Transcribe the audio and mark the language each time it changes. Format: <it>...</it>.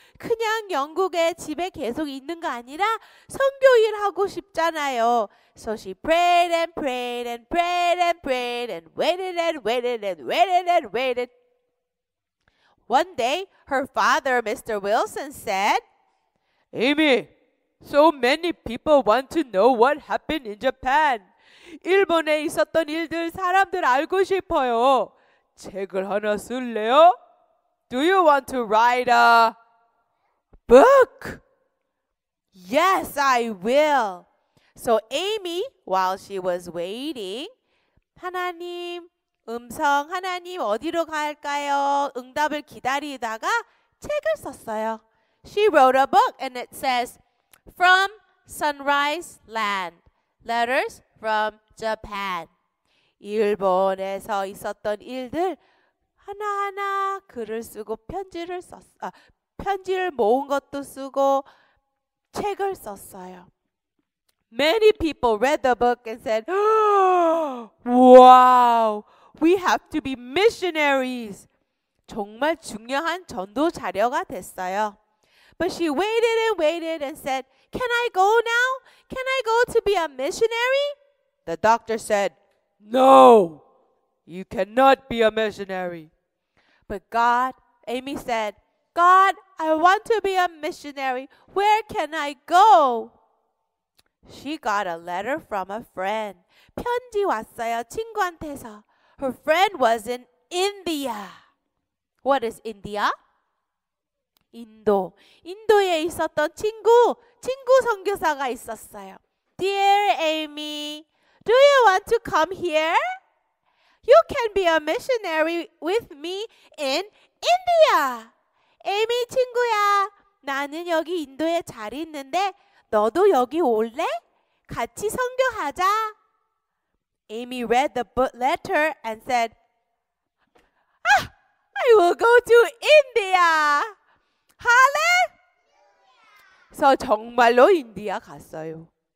<ko>그냥 영국에 집에 계속 있는 거 아니라 선교 일 하고 싶잖아요.</ko> <en>So she prayed and prayed and prayed and prayed and waited and waited and waited and waited. One day, her father, Mr. Wilson, said, "Amy, so many people want to know what happened in Japan.</en> <ko>일본에 있었던 일들 사람들 알고 싶어요. 책을 하나 쓸래요?</ko> <en>Do you want to write a book?" "Yes, I will." So Amy, while she was waiting,</en> <ko>하나님 음성, 하나님 어디로 갈까요? 응답을 기다리다가 책을 썼어요.</ko> <en>She wrote a book and it says, "From Sunrise Land. Letters from Japan.</en> <ko>일본에서 있었던 일들 하나하나 글을 쓰고 편지를 썼어. 편지를 모은 것도 쓰고 책을 썼어요.</ko> <en>Many people read the book and said, "Wow, we have to be missionaries."</en> <ko>정말 중요한 전도 자료가 됐어요.</ko> <en>But she waited and waited and said, "Can I go now? Can I go to be a missionary?" The doctor said, "No, you cannot be a missionary." But God, Amy said, "God, I want to be a missionary. Where can I go?" She got a letter from a friend.</en> <ko>편지 왔어요, 친구한테서.</ko> <en>Her friend was in India. What is India?</en> <ko>인도. 인도에 있었던 친구, 친구 선교사가 있었어요.</ko> <en>Dear Amy, do you want to come here? You can be a missionary with me in India.</en> <ko>Amy, 친구야, 나는 여기 인도에 잘 있는데 너도 여기 올래? 같이 선교하자.</ko> <en>Amy read the letter and said, "I will go to India."</en> <ko>할래? So 정말로 인디아 갔어요.</ko>